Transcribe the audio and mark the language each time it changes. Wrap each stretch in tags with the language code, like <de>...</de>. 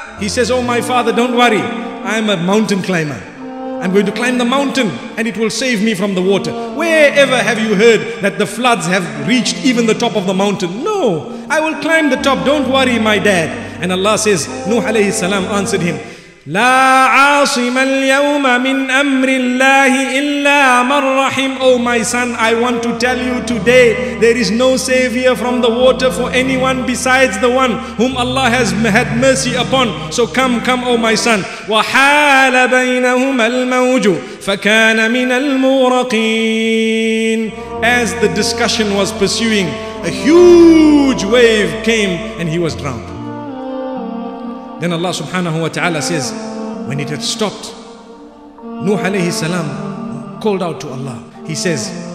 <en>He says, oh my father, don't worry. I am a mountain climber. I'm going to climb the mountain and it will save me from the water. Wherever have you heard that the floods have reached even the top of the mountain? No, I will climb the top. Don't worry, my dad. And Allah says, Nuh alayhi salam answered him,</en> <ar>La عاصم اليوم من أمر الله إلا من رحم.</ar> <en>Oh my son, I want to tell you today, there is no savior from the water for anyone besides the one whom Allah has had mercy upon. So come, oh my son.</en> <ar>وحال بينهما الموج فكان من المغرقين.</ar> <en>As the discussion was pursuing, a huge wave came and he was drowned. Then Allah subhanahu wa ta'ala says, when it had stopped, Nuh alayhi salam called out to Allah. He says,</en>